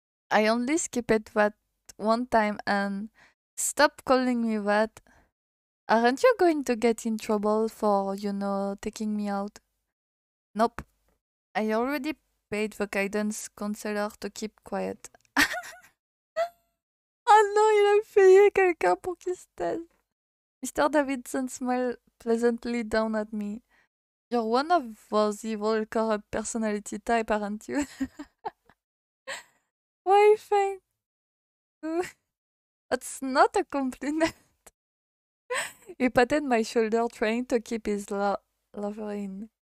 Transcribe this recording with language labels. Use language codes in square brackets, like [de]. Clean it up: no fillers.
[en] I only skipped it that one time and stop calling me that. Aren't you going to get in trouble for, taking me out? Nope. I already paid the guidance counselor to keep quiet. [fr] Non, il a payé quelqu'un pour qu'il se taise. [en] Mr. Davidson smiled pleasantly down at me. You're one of those evil corrupt personality type, aren't you? Why, thank you. That's not a compliment. He patted my shoulder, trying to keep his laughter in.